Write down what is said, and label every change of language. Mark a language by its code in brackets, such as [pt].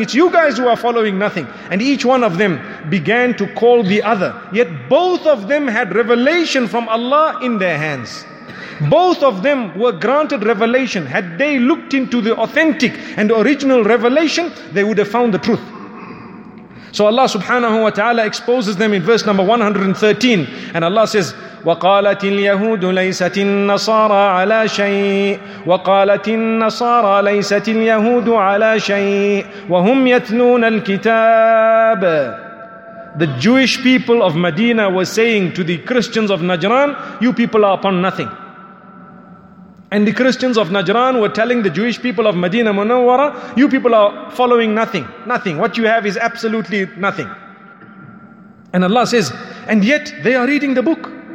[en] It's you guys who are following nothing." And each one of them began to call the other. Yet both of them had revelation from Allah in their hands. Both of them were granted revelation. Had they looked into the authentic and original revelation, they would have found the truth. So Allah subhanahu wa ta'ala exposes them in verse number 113. And Allah says, [ar] وَقَالَتِ الْيَهُودُ لَيْسَتِ النَّصَارَى عَلَى شَيْءٍ وَقَالَتِ النَّصَارَى لَيْسَتِ الْيَهُودُ عَلَى شَيْءٍ وَهُمْ يَتْلُونَ الْكِتَابَ. [en] The Jewish people of Medina were saying to the Christians of Najran, "You people are upon nothing." And the Christians of Najran were telling the Jewish people of Medina Munawwara, "You people are following nothing, nothing. What you have is absolutely nothing." And Allah says, and yet they are reading the book.